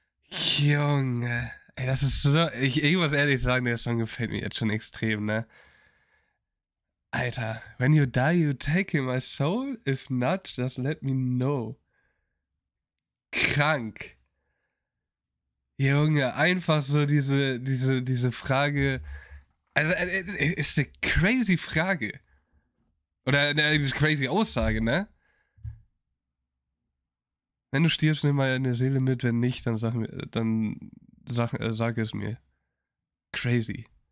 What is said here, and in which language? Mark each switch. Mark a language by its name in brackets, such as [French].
[German] Junge, ey, das ist so, ich muss ehrlich sagen, der Song gefällt mir jetzt schon extrem, ne? [English] Alter, when you die, you take in my soul, if not, just let me know. [German] Krank. Junge, einfach so diese Frage, also, ist eine crazy Frage. Oder eine crazy Aussage, ne? Wenn du stirbst, nimm mal deine Seele mit. Wenn nicht, dann sag es mir. Crazy.